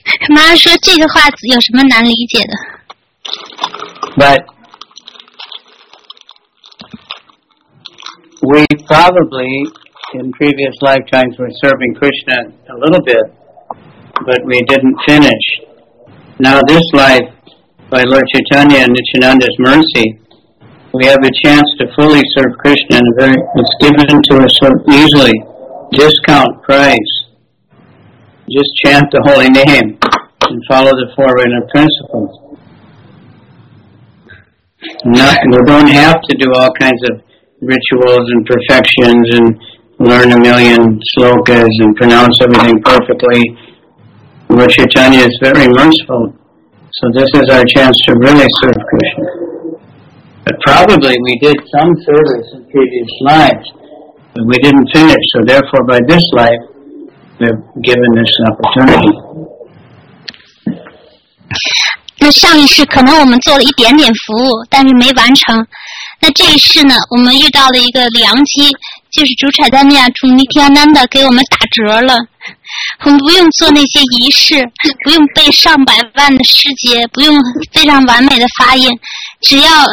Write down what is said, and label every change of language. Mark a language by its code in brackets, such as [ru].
[zh] 妈说这个话有什么难理解的 [en] ？But we probably in previous lifetimes were serving Krishna a little bit, but we didn't finish. Now this life, by Lord Chaitanya and Nityananda's mercy. We have a chance to fully serve Krishna in a very, it's given to us so easily. Discount price. Just chant the holy name and follow the forerunner principles. We don't have to do all kinds of rituals and perfections and learn a million slokas and pronounce everything perfectly. Lord Chaitanya is very merciful. So this is our chance to really serve Krishna. But probably we did some service in previous lives, but we didn't finish. So therefore, by this life, we're given this opportunity. [zh] 那上一世可能我们做了一点点服务，但是没完成。那这一世呢，我们遇到了一个良机，就是主柴丹尼亚主尼提亚南的给我们打折了。我们不用做那些仪式，不用背上百万的诗节，不用非常完美的发音，只要。